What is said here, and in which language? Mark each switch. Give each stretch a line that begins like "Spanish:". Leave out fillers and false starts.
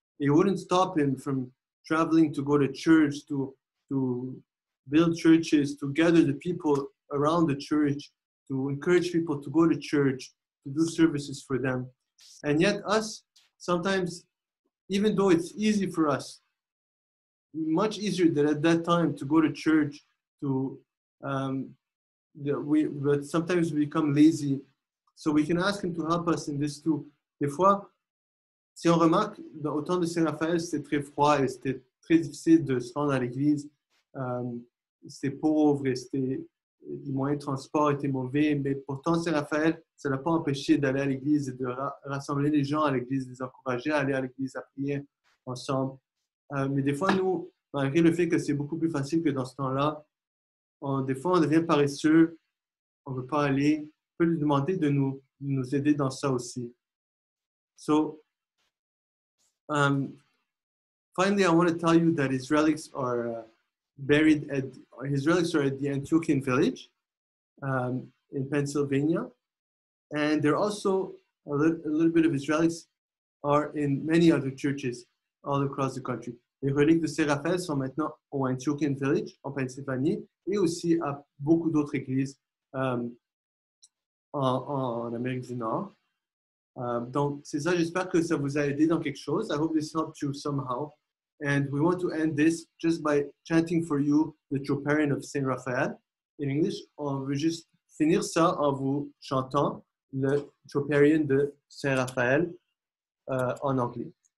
English: He wouldn't stop him from traveling to go to church, to build churches, to gather the people around the church, to encourage people to go to church, to do services for them. And yet us, sometimes, even though it's easy for us, much easier than at that time to go to church, to but sometimes we become lazy. So we can ask him to help us in this too.
French: Des fois, si on remarque, au temps de Saint-Raphaël, c'était très froid et c'était très difficile de se rendre à l'église. C'était pauvre et les moyens de transport étaient mauvais. Mais pourtant, Saint-Raphaël, ça ne l'a pas empêché d'aller à l'église et de rassembler les gens à l'église, les encourager à aller à l'église, à prier ensemble. Mais des fois, nous, malgré le fait que c'est beaucoup plus facile que dans ce temps-là, des fois, on devient paresseux, on ne veut pas aller. On peut lui demander de nous aider dans ça aussi.
English: So, finally, I want to tell you that his relics are buried at the Antiochian village in Pennsylvania, and there are also a little bit of his relics are in many other churches all across the country.
French: Les reliques de Saint-Raphaël sont maintenant au Antiochian village en Pennsylvanie et aussi à beaucoup d'autres églises en Amérique du Nord. Donc c'est ça, j'espère que ça vous a aidé dans quelque chose.
English: I hope this helped you somehow. And we want to end this just by chanting for you the Troparion of Saint Raphael in English.
French: On veut juste finir ça en vous chantant le Troparion de Saint Raphaël en anglais.